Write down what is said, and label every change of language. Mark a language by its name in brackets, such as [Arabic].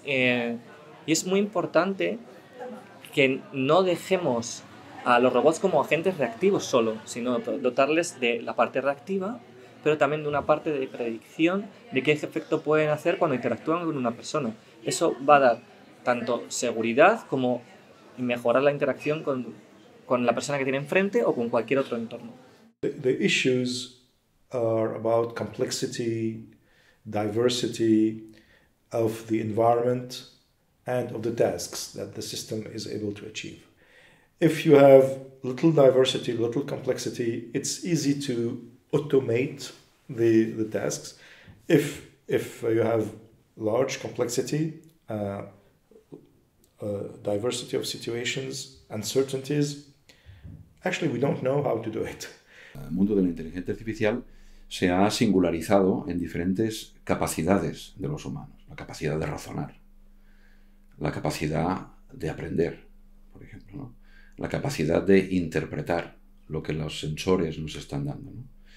[Spanish] Y es muy importante que no dejemos a los robots como agentes reactivos solo, sino dotarles de la parte reactiva, pero también de una parte de predicción de qué efecto pueden hacer cuando interactúan con una persona. eso va a dar tanto seguridad como mejorar la interacción con la persona que tiene enfrente o con cualquier otro entorno. [English] The issues are about complexity, diversity of the environment and of the tasks that the system is able to achieve. If you have little diversity, little complexity, it's easy to automate the tasks. If you have large complexity, diversity of situations, uncertainties, actually we don't know how to do it. [Spanish] El mundo de la inteligencia artificial se ha singularizado en diferentes capacidades de los humanos. La capacidad de razonar, la capacidad de aprender, por ejemplo, ¿no? La capacidad de interpretar lo que los sensores nos están dando, ¿no?